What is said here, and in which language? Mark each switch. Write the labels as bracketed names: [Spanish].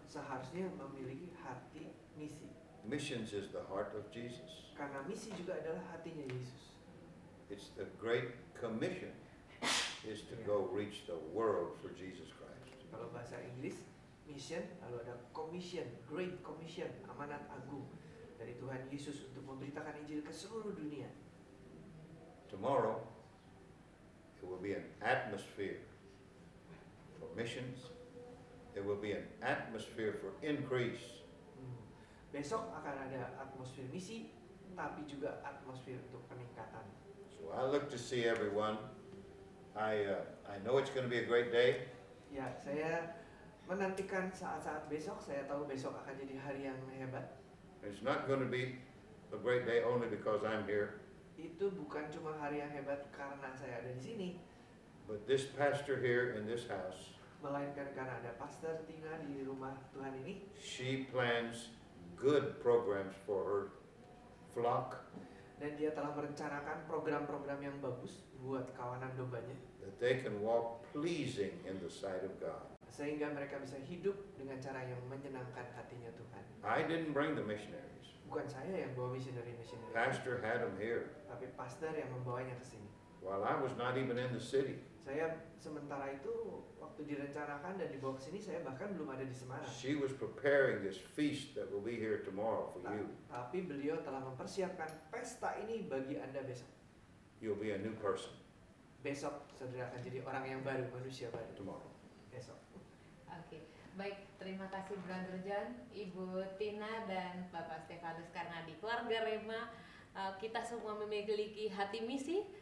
[Indonesian] Seharusnya memiliki hati misi. [English] Missions is the heart of Jesus. [Indonesian] Karena misi juga adalah hatinya Yesus. [English] It's the great commission. Is to go reach the world for Jesus Christ. [Indonesian] Kalau bahasa Inggris, mission, lalu ada commission, great commission, amanat agung dari Tuhan Yesus untuk memberitakan Injil ke seluruh dunia. [English] Tomorrow, it will be an atmosphere for missions. It will be an atmosphere for increase. [Indonesian] Besok akan ada atmosfer misi, tapi juga atmosfer untuk peningkatan. [English] So I look to see everyone. I know it's going to be a great day. [Indonesian] Ya, saya menantikan saat-saat besok. Saya tahu besok akan jadi hari yang hebat. [English] It's not going to be a great day only because I'm here. [Indonesian] Itu bukan cuma hari yang hebat karena saya ada di sini. [English] But this pastor here in this house. [Indonesian] Melainkan karena ada pastor tinggal di rumah Tuhan ini. [English] She plans good programs for her flock. [Indonesian] Dan dia telah merencanakan program-program yang bagus buat kawanan dombanya. [English] That they can walk pleasing in the sight of God. [Indonesian] Sehingga mereka bisa hidup dengan cara yang menyenangkan hatinya Tuhan. [English] I didn't bring the missionaries. [Indonesian] Bukan saya yang bawa missionary-missionary. [English] Pastor had them here. [Indonesian] Tapi pastor yang membawanya ke sini. [English] While I was not even in the city. [Indonesian] Saya sementara itu waktu direncanakan dan dibawa ke sini saya bahkan belum ada di Semarang. [English] She was preparing this feast that will be here tomorrow for you. [Indonesian] Tapi beliau telah mempersiapkan pesta ini bagi Anda besok. [English] You'll be a new person. [Indonesian] Besok saudara akan jadi orang yang baru, manusia baru. [English] Tomorrow. [Indonesian] Besok. Oke, okay. Baik, terima kasih Brother John, Ibu Tina dan Bapak Stefanus karena di keluarga Rema kita semua memiliki hati misi.